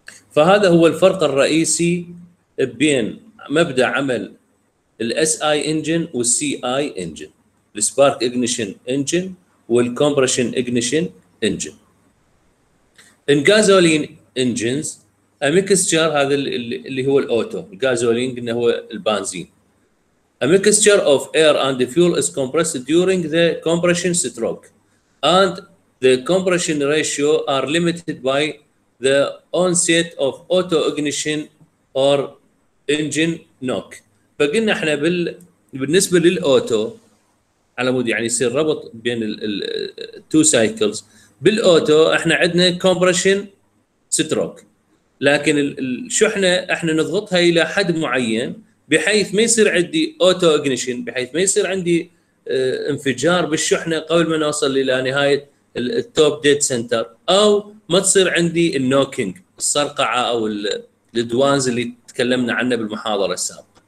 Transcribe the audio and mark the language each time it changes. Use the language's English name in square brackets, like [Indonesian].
[Arabic] فهذا هو الفرق الرئيسي بين مبدا عمل الاس اي انجن والسي اي انجن، السبارك اجنيشن انجن والكومبريشن اجنيشن انجن. [English] In gasoline engines, [Arabic] الميكستشر هذا اللي هو الاوتو الغازولين اللي هو البنزين. [English] A mixture of air and the fuel is compressed during the compression stroke and the compression ratio are limited by the onset of auto ignition or engine knock. [Arabic] فقلنا احنا بالنسبه للاوتو على مود يعني يصير ربط بين ال two cycles. بالاوتو احنا عندنا compression stroke لكن الشحنه احنا نضغطها الى حد معين بحيث ما يصير عندي اوتو اجنيشن، بحيث ما يصير عندي انفجار بالشحنه قبل ما نوصل الى نهايه التوب ديد سنتر، او ما تصير عندي النوكينج الصرقعه او الادوانز اللي تكلمنا عنها بالمحاضره السابقه.